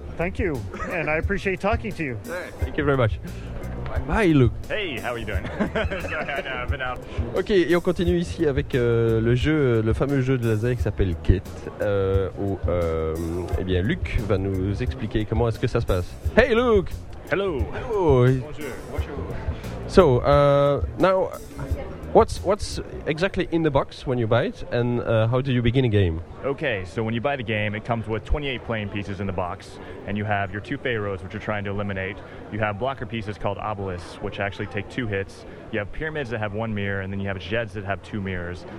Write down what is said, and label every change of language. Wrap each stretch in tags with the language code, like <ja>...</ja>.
<en>Thank you, and I appreciate talking to you. Thank you very much. Hi Luke. Hey, how are you doing? Sorry, I've been out.</en> <fr>Ok, et on continue ici avec le jeu, le fameux jeu de laser qui s'appelle Ket, où eh bien Luke va nous expliquer comment est-ce que ça se passe.</fr> <en>Hey Luke. Hello. Hello.</en> <fr>Bonjour.</fr> <en>So, now, what's exactly in the box when you buy it, and how do you begin a game? Okay, so when you buy the game, it comes with 28 playing pieces in the box, and you have your two pharaohs, which you're trying to eliminate. You have blocker pieces called obelisks, which actually take two hits. You have pyramids that have one mirror, and then you have jeds that have two mirrors.</en>